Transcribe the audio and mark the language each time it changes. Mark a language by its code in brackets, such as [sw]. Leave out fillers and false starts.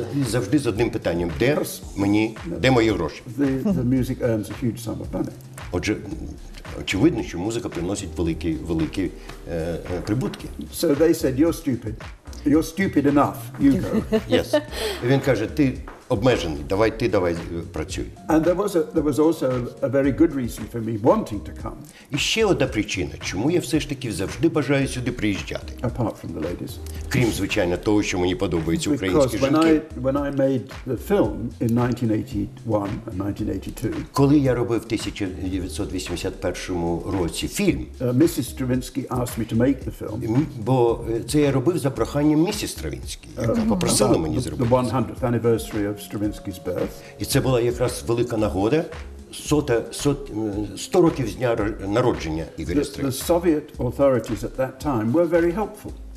[uk] Завжди з одним питанням, де мої гроші? [en] The music earns a huge sum of money. [uk] Отже, очевидно, що музика приносить великі прибутки. [en] So they said, you're stupid. You're stupid enough. You go. Yes. [uk] І він каже, ти обмежений, давай працюй. [en] And there was also a very good reason for me wanting to come. [uk] І ще одна причина, чому я все ж таки завжди бажаю сюди приїжджати. [en] Apart from the ladies. [uk] Крім, звичайно, того, що мені подобаються українські жінки. [en] Because when I made the film in 1981 and 1982. [uk] Коли я робив в 1981 році фільм. [en] Mrs. Stravinsky asked me to make the film. [uk] Бо це я робив за проханням місіс Стравінський, яка попросила мені зробити. [en] The 100th anniversary of Stravinsky's birth. [uk] І це була якраз велика нагода, 100 років з дня народження Ігоря Стравінського. [en] The Soviet authorities at that time were very helpful.